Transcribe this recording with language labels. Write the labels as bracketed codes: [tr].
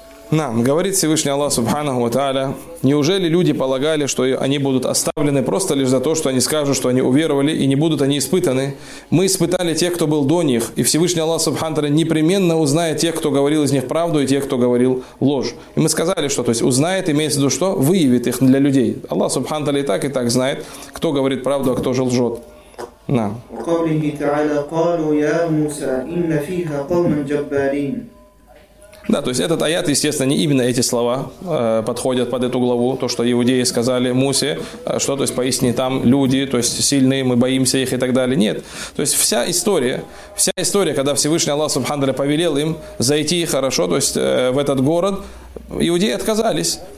[ru] Нам говорит Всевышний Аллах Субханаху ва Тааля: неужели люди полагали, что они будут оставлены просто лишь за то, что они скажут, что они уверовали, и не будут они испытаны? Мы испытали тех, кто был до них, и Всевышний Аллах Субхану Тааля непременно узнает тех, кто говорил из них правду, и тех, кто говорил ложь. И мы сказали, что, то есть узнает, имеется в виду, что выявит их для людей. Аллах Субхану Тааля и так знает, кто говорит правду, а кто же лжет. [ar] وقوله تعالى قالوا يا موسى إن فيها قوما جبارين. [ru] Да, то есть этот аят, естественно, не именно эти слова подходят под эту главу, то, что иудеи сказали Мусе, что, то есть, поистине там люди, то есть, сильные, мы боимся их и так далее. Нет, то есть, вся история, когда Всевышний Аллах Субхану Тааля повелел им зайти хорошо, то есть, в этот город, иудеи отказались.